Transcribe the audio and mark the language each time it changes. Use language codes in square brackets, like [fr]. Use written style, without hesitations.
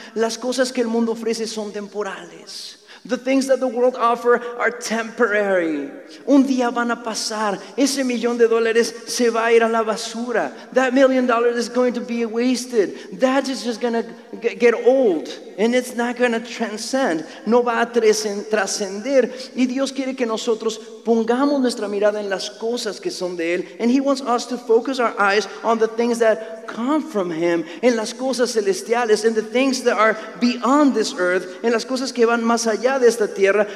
[es] Las cosas que el mundo ofrece son temporales. [en] The things that the world offer are temporary. [es] Un día van a pasar. Ese millón de dólares se va a ir a la basura. [en] That $1 million is going to be wasted. That is just going to get old. And it's not going to transcend. [es] No va a trascender. Y Dios quiere que nosotros pongamos nuestra mirada en las cosas que son de Él. [en] And He wants us to focus our eyes on the things that come from Him. [es] En las cosas celestiales. [en] In the things that are beyond this earth. [es] En las cosas que van más allá de esta tierra.